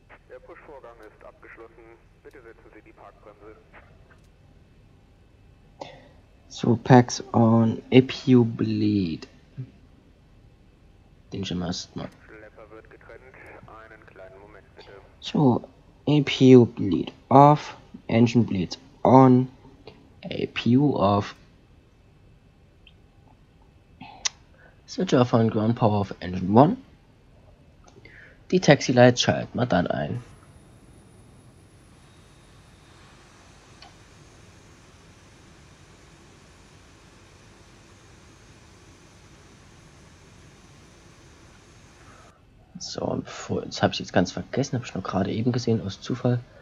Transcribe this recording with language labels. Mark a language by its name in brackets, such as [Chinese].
[German] Der Push-Vorgang ist abgeschlossen. Bitte setzen Sie die Parkbremse. [English] So, Packs on APU Bleed. [German] Den schon mal erstmal. Schlepper wird getrennt. Einen kleinen Moment bitte. [English] So, APU bleed off, engine bleed on, APU off. Switch off on ground power of engine 1. [German] Die Taxi Lights schalten wir dann ein. So, das habe ich jetzt ganz vergessen, habe ich nur gerade eben gesehen, aus Zufall.